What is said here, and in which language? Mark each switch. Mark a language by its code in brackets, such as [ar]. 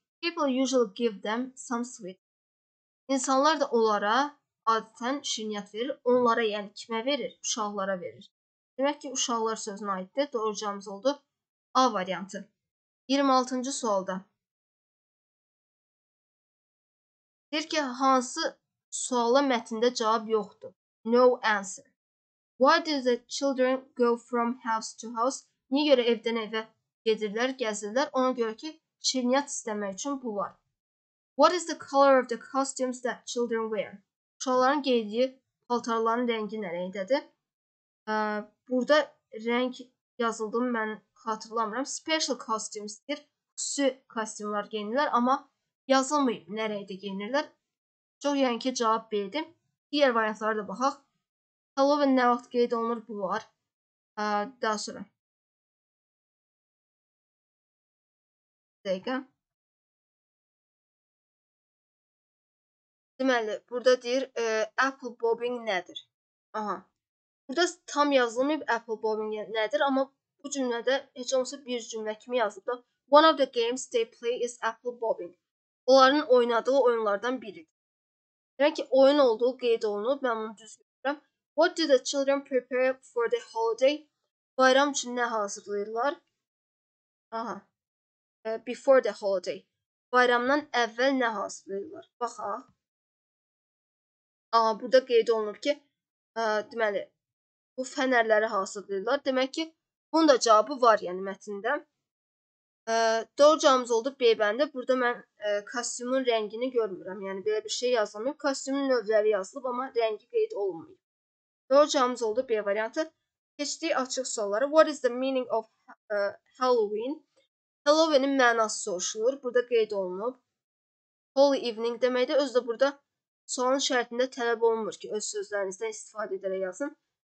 [en] People usually give them some sweet. [az] İnsanlar da onlara adətən şirniyyat verir. Onlara, yəni kimə verir? Uşaqlara verir. Demək ki, uşaqlar sözünə aiddir. Doğru cavabımız oldu A variantı. 26-cı sualda. Deyir ki, hansı suala mətndə cavab yoxdur? [en] No answer. Why do the children go from house to house? [az] Niyə görə evdən evə gedirlər, gəzirlər? Ona görə ki, şirniyyat istəmək üçün bu var. [en] What is the color of the costumes that children wear? [az] Uşaqların geydiyi paltarların rəngi nə rəngdədir? Burada rəng yazıldı mı, mən xatırlamıram. [en] Special costumes- [az] dir. Xüsusi kostyumlar geyinirlər, amma yazılmayıb nə rəngdə geyinirlər. Çox yəqin ki, cavab B-dir. Diğer variantlara da baxaq. Halloween nə vaxt qeyd olunur? Bu var. Daha sonra. Dəqiqə. Deməli, burada deyir, apple bobbing nədir? Aha. Burada tam yazılmayıb apple bobbing nədir, amma bu cümlədə heç olmasa bir cümlə kimi yazılıb da. [en] One of the games they play is apple bobbing. [az] Onların oynadığı oyunlardan biridir. Demək ki, oyun olduğu qeyd olunub, mən bunu düz görürəm. [en] What do the children prepare for the holiday? [az] Bayram üçün nə hazırlayırlar? Aha. [en] Before the holiday. [az] Bayramdan əvvəl nə hazırlayırlar? Baxaq. Aha, burada qeyd olunub ki, deməli, bu fənərləri hazırlayırlar. Demək ki, bunun da cavabı var, yəni mətnində. Doğru cavabımız oldu B-bəndə. Burada mən kostyumun rəngini görmürəm. Yəni, belə bir şey yazılmıyor. Kostyumun növləri yazılıb, amma rəngi qeyd olunmuyor. Doğru cavabımız oldu B variantı. Keçdiyi açıq sualları. [en] What is the meaning of Halloween? [az] Halloween-in mənası soruşulur. Burada qeyd olunub. [en] Holy evening [az] deməkdə. Özü də burada sualın şərtində tələb olunmur ki, öz sözlərinizdən istifadə edərək yazın.